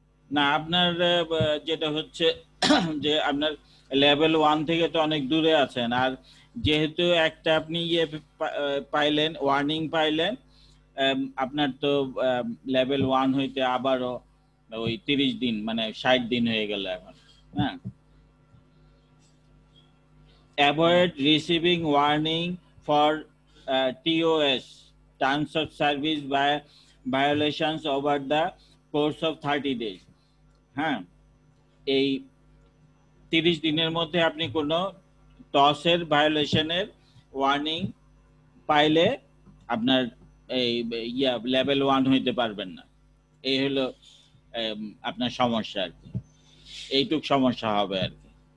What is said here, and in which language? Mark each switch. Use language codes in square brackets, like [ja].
[bn] না, আপনার যেটা হচ্ছে যে আপনার লেভেল 1 থেকে তো অনেক দূরে আছেন, আর যেহেতু একটা আপনি পাইলেন, ওয়ার্নিং পাইলেন, আপনার তো লেভেল 1 হইতে আবারও ওই 30 দিন মানে 60 দিন হয়ে গেল এখন। [en] হ্যাঁ, avoid receiving warning for TOS terms of service by violations over the course of 30 days. [bn] হ্যাঁ, এই 30 দিনের মধ্যে আপনি কোনো টসের ভায়োলেশনের ওয়ার্নিং পাইলে আপনার এই ইয়া লেভেল 1 হইতে পারবেন না। এই হলো আপনার সমস্যা আর কি, এইটুক সমস্যা হবে আর কি।